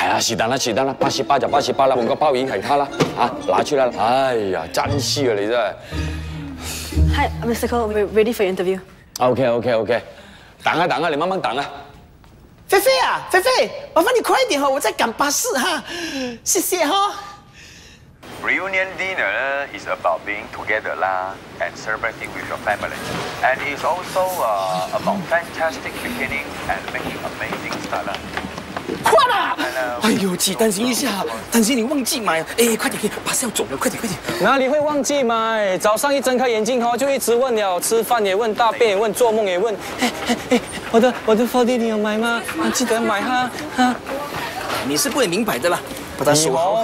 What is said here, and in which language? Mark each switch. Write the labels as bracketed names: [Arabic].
[Chinese] 哎呀，是的啦是的啦，88就88啦，我个报应给他啦，啊，拿去了。哎呀，真是啊，你真是。 [English] Hi Mr. Cole, we're ready for your interview。 [Chinese] OK 等啊等啊，你慢慢等啊。菲菲啊，菲菲，麻烦你快一点哈，我在赶巴士哈，谢谢哈。 [English] Reunion dinner is about being together lah and celebrating with your family, and it's also about fantastic beginning and making amazing start lah。 [Chinese] 快啦！哎呦，姐，担心一下，担心你忘记买。哎，快点，快点，巴士要走了，快点，快点。哪里会忘记买？早上一睁开眼睛哈，就一直问了，吃饭也问，大便也问，做梦也问。哎，我的 Fordy 你有买吗？啊，记得买哈。啊，你是不会明白的啦。把它说好好。